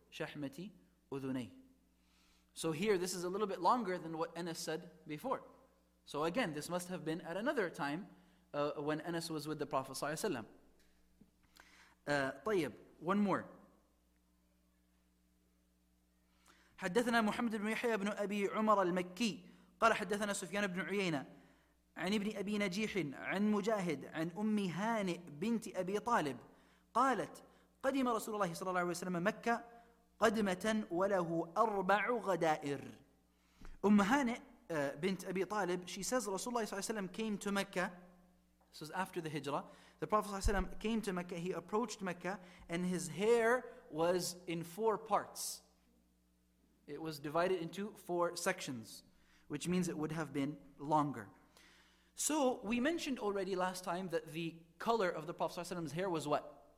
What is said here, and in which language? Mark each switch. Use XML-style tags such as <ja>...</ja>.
<ar>شَحْمَتِ أُذُنَيْ.</ar> <en>So here, this is a little bit longer than what Anas said before. So again, this must have been at another time when Anas was with the Prophet ﷺ. طيب, one more.</en> <ar>حدثنا محمد بن يحيى بن أبي عمر المكي قال حدثنا سفيان بن عيينة عن ابن أبي نجيح عن مجاهد عن أم هانئ بنت أبي طالب قالت قدم رسول الله صلى الله عليه وسلم مكة قدمة وله أربع غدائر. أم هانئ بنت أبي طالب,</ar> <en>she says</en> <ar>رسول الله صلى الله عليه وسلم</ar> <en>came to Mecca. This was after the Hijrah. The Prophet صلى الله عليه وسلم came to Mecca. He approached Mecca and his hair was in four parts. It was divided into four sections, which means it would have been longer. So we mentioned already last time that the color of the Prophet's hair was what?</en>